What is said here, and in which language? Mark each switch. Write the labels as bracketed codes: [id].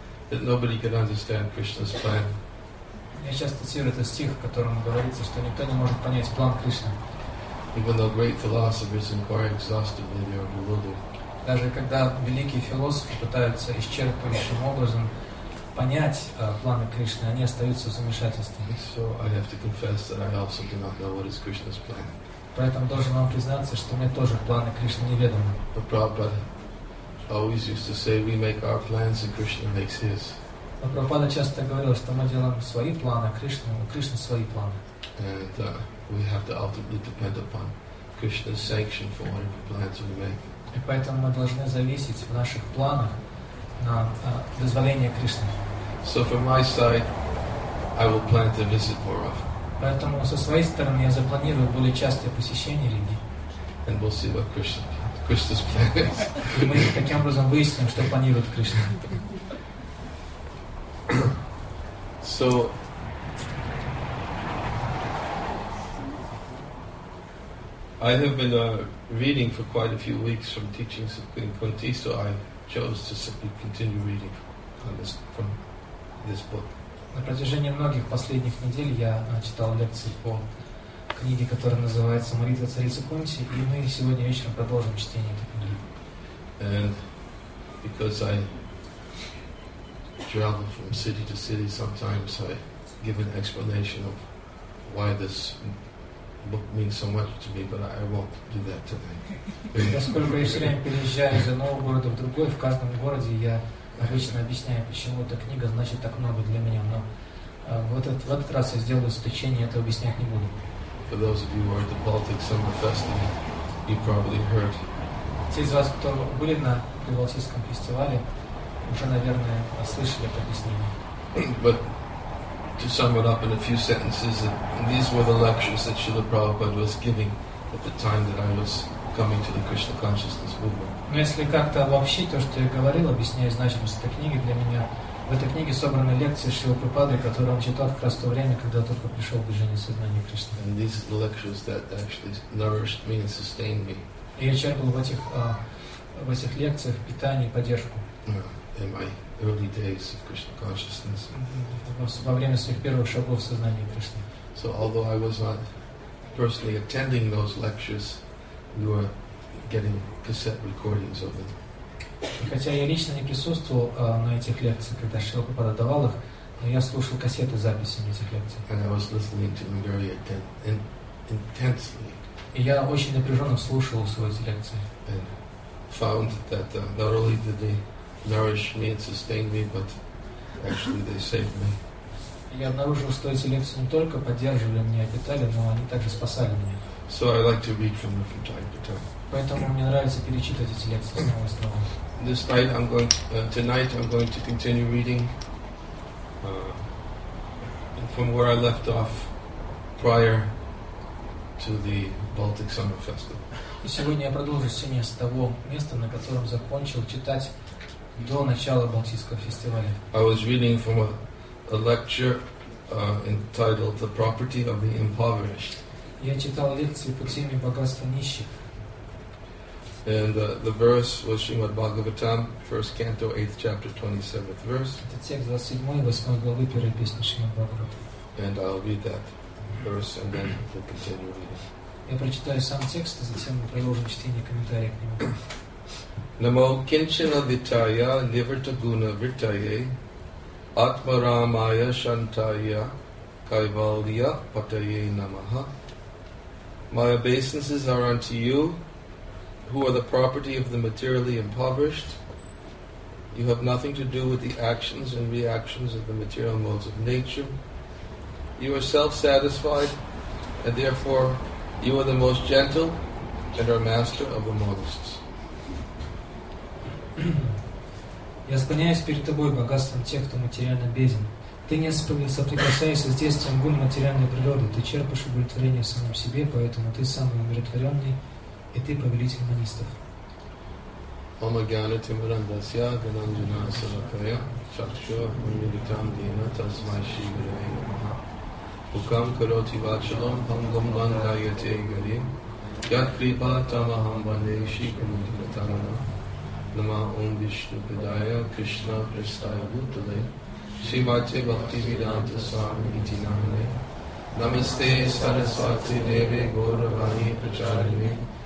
[en] That nobody can understand Krishna's plan. [ru] Я сейчас цитирую этот стих, в котором говорится, что никто не может понять план Кришны. [en] Even though great philosophers inquire exhaustively, they are bewildered. [ru] Даже когда великие философы пытаются исчерпывающим образом понять планы Кришны, они остаются в замешательстве. [en] So I have to confess that I also do not know what is Krishna's plan. [ru] Поэтому должен вам признаться, что мне тоже планы Кришны неведомы. [en] But Prabhupada always used to say, we make our plans and Krishna makes his. [ru] Но Прабхупада часто говорил, что мы делаем свои планы, Кришна, у Кришны свои планы. [en] And we have to ultimately depend upon Krishna's sanction for whatever plans we make. [ru] И поэтому мы должны зависеть в наших планах на дозволение Кришны. [en] So from my side, I will plan to visit more often. [ru] Поэтому со своей стороны я запланирую более частые посещения Риги. [en] And we'll see what Krishna's plan is. [ru] И мы таким образом выясним, что планирует Кришна. [en] So, I have been reading for quite a few weeks from teachings of Queen Kunti, so I chose to simply continue reading from this book. [ru] На протяжении многих последних недель я читал лекции по книге, которая называется «Молитва царицы Кунти», и мы сегодня вечером продолжим чтение этой книги. [en] And because I travel from city to city, sometimes I give an explanation of why this book means so much to me, but I won't do that today. [ru] Поскольку я все время переезжаю из одного города в другой, в каждом городе я обычно объясняю, почему эта книга значит так много для меня, но в этот раз я сделаю исключение, это объяснять не буду. [en] For those of you who are at the Baltic Summer Festival, you probably heard. [ru] Те из вас, кто были на Прибалтийском фестивале, уже, наверное, слышали это объяснение. [en] But to sum it up in a few sentences, these were the lectures that Srila Prabhupada was giving at the time that I was coming to the Krishna Consciousness Movement. [ru] Но если как-то обобщить то, что я говорил, объясняя значимость этой книги для меня, В этой книге собраны лекции Шрилы Прабхупады, которые он читал как раз в то время, когда только пришел в движение сознания Кришны. [en] And these are the lectures that actually nourished me and sustained me. [ru] И я черпал в этих лекциях питание и поддержку. [en] In my early days of Krishna consciousness. [ru] Во время своих первых шагов сознания Кришны. [en] So although I was not personally attending those lectures, we were getting cassette recordings of them. [ru] И хотя я лично не присутствовал на этих лекциях, когда Шрила Прабхупада давал их, но я слушал кассеты с записями этих лекций. [en] And I was listening to them very intensely. [ru] И я очень напряженно слушал свои эти лекции. [en] And found that not only did they nourish me and sustain me, but actually they saved me. [ru] Я обнаружил, что эти лекции не только поддерживали меня, питали, но они также спасали меня. [en] So I like to read from them from time to time. [ru] Поэтому мне нравится перечитывать эти лекции снова и снова. [en] This night I'm going to, tonight I'm going to continue reading from where I left off prior to the Baltic Summer Festival. [ru] И сегодня я продолжу сегодня с того места, на котором закончил читать до начала Балтийского фестиваля. [en] I was reading from a lecture entitled "The Property of the Impoverished". [ru] Я читал лекции по теме «Богатство нищих». [en] And the verse was Srimad Bhagavatam, first canto, 8th chapter, 27th verse. [ru] Это текст 27-й, 8-й главы первой песни Шримад Бхагаватам. [en] And I'll read that verse and then we'll continue reading. [ru] Я прочитаю сам текст, а затем мы продолжим чтение комментария к нему. [sa] Namo kinchana vitaya nivrtaguna vrtaye atmaramaya shantaya kaivalya pataye namaha. [en] My obeisances are unto you, who are the property of the materially impoverished. You have nothing to do with the actions and reactions of the material modes of nature. You are self-satisfied, and therefore you are the most gentle and are master of the modest. [ru] Я склоняюсь перед тобой богатством тех, кто материально беден. Ты не соприкасаешься с действием гун материальной природы. Ты черпаешь удовлетворение в самом себе, поэтому ты самый умиротворенный. И ты повелитель манистов. [sa] Ома гьяна тимарандасья гананджана саракая чакшо мунилитам дина тасмай шивирай намаха Пукам кароти вачалом пангам гангайате гари Ят крипа тамахам бандейши кумудилатамана Нама ом вишну пидая кришна пристая бутале Шимате бхакти виданта свами ити намане Намасте сарасвати деве горавани прачарине